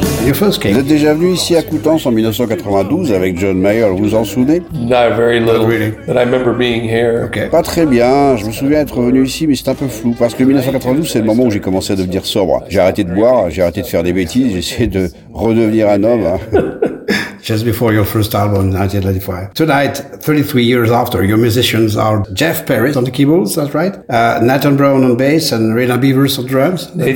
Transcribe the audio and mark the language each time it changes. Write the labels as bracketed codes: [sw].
[fr] Vous êtes déjà venu ici à Coutances en 1992 avec John Mayer, vous en souvenez? [en] Not very little, but I remember being here. Okay. [fr] Pas très bien, je me souviens être venu ici, mais c'est un peu flou, parce que 1992, c'est le moment où j'ai commencé à devenir sobre. J'ai arrêté de boire, j'ai arrêté de faire des bêtises, j'ai essayé de redevenir un homme. [en] Just before your first album in 1995. Tonight, 33 years after, your musicians are Jeff Perry on the keyboards, that's right? Nathan Brown on bass and Rena Beavers on drums.